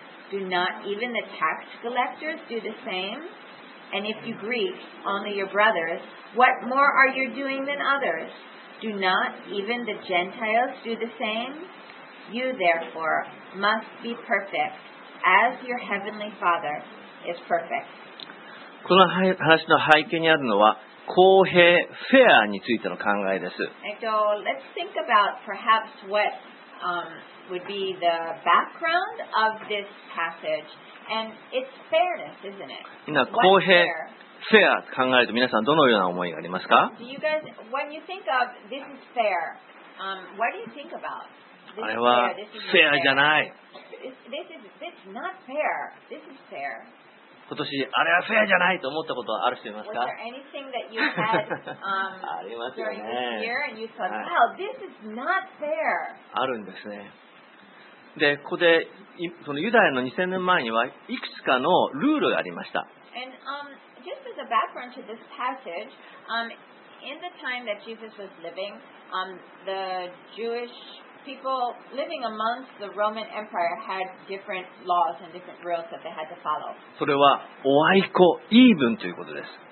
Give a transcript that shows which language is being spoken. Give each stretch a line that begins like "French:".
English: Do not even the tax collectors do the same? And if you greet only your brothers, what more are you doing than others? Do not even the Gentiles do the same? You, therefore, must be perfect, as your heavenly Father is perfect.
Japanese: この話の背景にあるのは、公平、フェアについての考えです。
English: And so, let's think about perhaps what, would be the background of this passage. And it's fairness, isn't it?
Japanese: 今、公平、フェアと考えると皆さんどのような思いがありますか?
English: Do you guys, when you think of this is fair, what do you think about?
Japanese: あれは、フェアじゃない。
English: This is not fair. This is fair.
Japanese: 今年、あれはフェアじゃないと思ったことはある人いますか?
English: Was there anything that you had,
Japanese: ありますよね。
English: during this year and you thought, wow, this is not fair.
Japanese: あるんですね。でここでそのユダヤの2000年前にはいくつかのルールがありました。
English: And, just as a background to this passage, in the time that Jesus was living, the Jewish people living amongst the Roman Empire had different laws and different rules that they had to follow.
Japanese: それはおあいこ、
English: even
Japanese: ということです。